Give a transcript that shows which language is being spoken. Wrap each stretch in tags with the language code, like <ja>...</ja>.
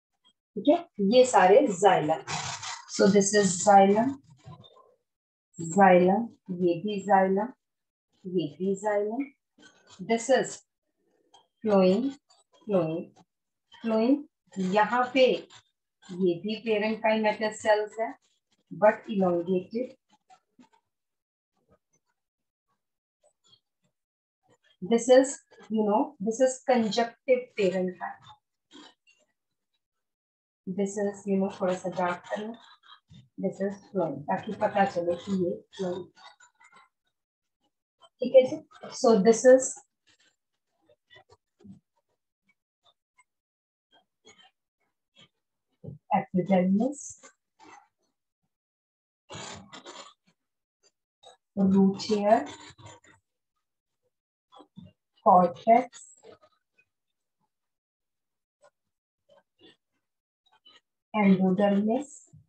<hi>ठीक है, ये सारे xylem.</hi> <en>so this is xylem,</en> <hi>xylem, ये भी जाइलम, ये भी xylem.</hi> <en>This is flowing, flowing, flowing.</en> <hi>यहाँ पे ये भी पेरेंकाइमेटस सेल्स है but elongated.</hi> <en>This is, you know, this is conjunctive parenchyma. This is, you know, for a doctor, this is phloem.</en> <hi>ताकि पता चले कि ये phloem. ठीक है जी.</hi> <en>So this is epidermis, root hair, cortex, endodermis,</en>